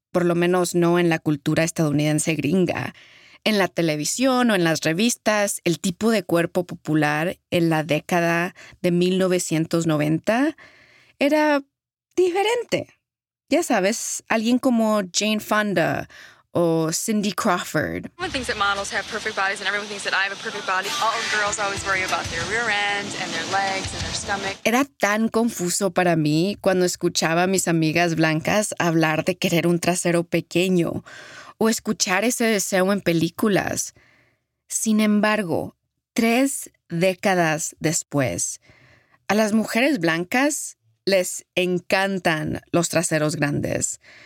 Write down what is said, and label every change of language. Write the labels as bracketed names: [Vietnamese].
[Spanish] Por lo menos no en la cultura estadounidense gringa. En la televisión o en las revistas, el tipo de cuerpo popular en la década de 1990 era diferente. Ya sabes, alguien como Jane Fonda o Cindy Crawford. [English] Everyone thinks that models have perfect bodies and everyone thinks that I have a perfect body. All girls always worry about their rear end and their legs and their stomach. [Spanish] Era tan confuso para mí cuando escuchaba a mis amigas blancas hablar de querer un trasero pequeño o escuchar ese deseo en películas. Sin embargo, 3 décadas después, a las mujeres blancas les encantan los traseros grandes.